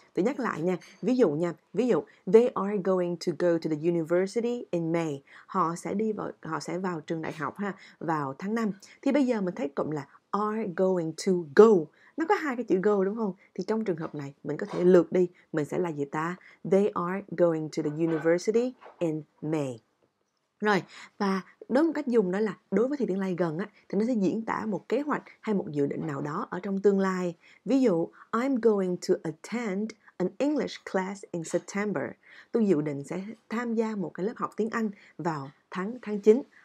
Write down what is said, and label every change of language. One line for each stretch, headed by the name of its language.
Vietnamese: Tôi nhắc lại nha, ví dụ nha, ví dụ,
English: they are going to go to the university in May.
Vietnamese: Họ sẽ vào trường đại học ha, vào tháng 5. Thì bây giờ mình thấy cụm là are going to go. Nó có hai cái chữ go đúng không? Thì trong trường hợp này mình có thể lược đi, mình sẽ là gì ta?
English: They are going to the university in May.
Vietnamese: Rồi, và đối với cách dùng đó là đối với thị tương lai gần á, thì nó sẽ diễn tả một kế hoạch hay một dự định nào đó ở trong tương lai. Ví dụ,
English: I'm going to attend an English class in September.
Vietnamese: Tôi dự định sẽ tham gia một cái lớp học tiếng Anh vào tháng 9.